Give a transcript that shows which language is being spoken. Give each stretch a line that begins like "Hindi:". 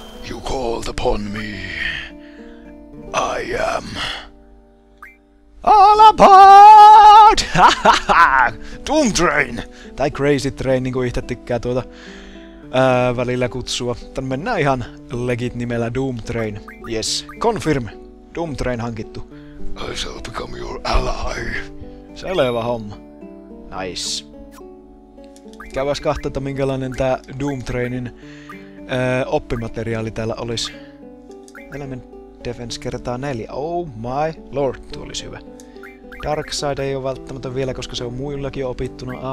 English: You called upon me. I am... all aboard! Doom Train!
Finnish: Tai Crazy Train, niin kuin itse tykkää tuota välillä kutsua. Tän mennään ihan legit nimellä Doom Train.
English: Yes, confirm. Doom Train
Finnish: hankittu.
English: I shall become your ally.
Finnish: Selvä homma. Nice. Käväs kahta, että minkälainen tää Doom Trainin oppimateriaali täällä olisi. Element Defense kertaa 4.
English: Oh my lord,
Finnish: tuo olisi hyvä. Dark Side ei ole välttämättä vielä, koska se on muillakin opittuna.